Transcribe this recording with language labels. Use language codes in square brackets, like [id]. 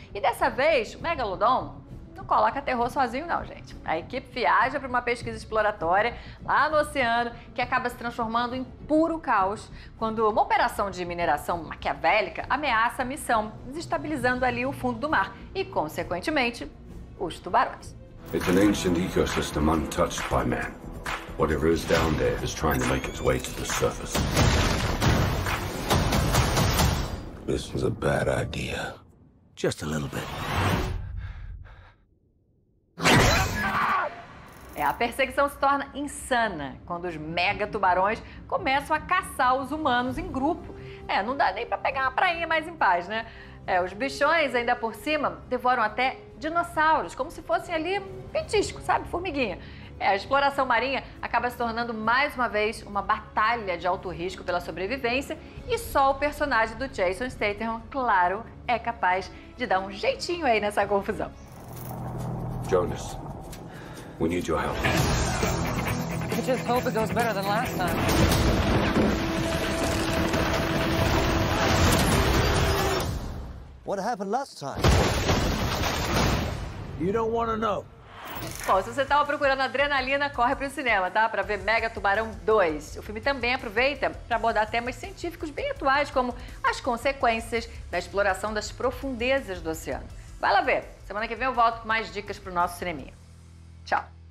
[pt] E dessa vez, o Megalodon não coloca terror sozinho, não, gente. A equipe viaja para uma pesquisa exploratória lá no oceano, que acaba se transformando em puro caos quando uma operação de mineração maquiavélica ameaça a missão, desestabilizando ali o fundo do mar e, consequentemente, os tubarões. [en] It's an ancient ecosystem untouched by man. Whatever is down there is trying to make its way to the surface. This was a bad idea. Just a little bit. [pt] A perseguição se torna insana quando os mega tubarões começam a caçar os humanos em grupo. Não dá nem pra pegar uma prainha mais em paz, né? Os bichões, ainda por cima, devoram até dinossauros, como se fossem ali petisco, sabe? Formiguinha. A exploração marinha acaba se tornando mais uma vez uma batalha de alto risco pela sobrevivência e só o personagem do Jason Statham, claro, é capaz de dar um jeitinho aí nessa confusão. [en] Jonas, we need your help. We just hope it goes better than last time. What happened last time? You don't want to know. [pt] Bom, se você tava procurando adrenalina, corre pro cinema, tá? Pra ver Mega Tubarão 2. O filme também aproveita pra abordar temas científicos bem atuais, como as consequências da exploração das profundezas do oceano. Vai lá ver. Semana que vem eu volto com mais dicas pro nosso cineminha. Tchau.